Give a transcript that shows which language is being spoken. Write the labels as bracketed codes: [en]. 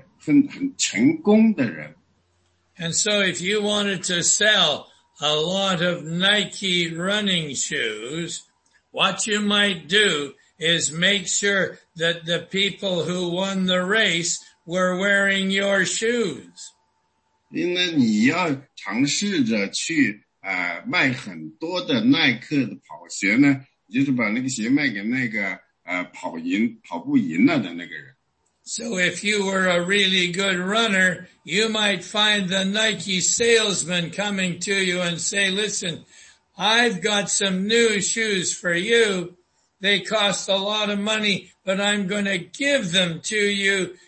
[zh] 在我们通常的在一些运动员或者在我们的生意中，在我们的生活中，我们通常都是试着去跟随那些很成功的人。 [en] And so if you wanted to sell a lot of Nike running shoes, what you might do is make sure that the people who won the race were wearing your shoes. [zh] 因为你要尝试着去 卖很多的耐克的跑鞋呢，就是把那个鞋卖给那个跑步赢了的那个人。 [en] So if you were a really good runner, you might find the Nike salesman coming to you and say, listen, I've got some new shoes for you. They cost a lot of money, but I'm going to give them to you.